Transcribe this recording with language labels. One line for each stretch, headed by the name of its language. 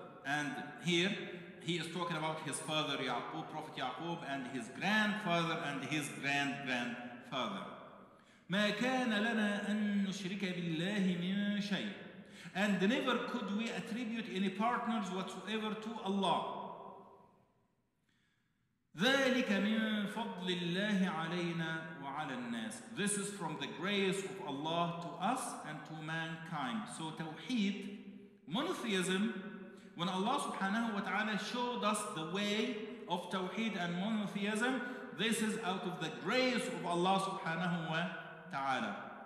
English: And here he is talking about his father Ya'qub, Prophet Ya'qub, and his grandfather and his grand-grandfather.
Arabic: ما كان لنا أن نشرك بالله من شيء.
English: And never could we attribute any partners whatsoever to Allah.
Arabic: ذلك من فضل الله علينا وعلى الناس.
English: This is from the grace of Allah to us and to mankind. So Tawheed, monotheism, when Allah subhanahu wa ta'ala showed us the way of Tawheed and monotheism, this is out of the grace of Allah subhanahu wa ta'ala.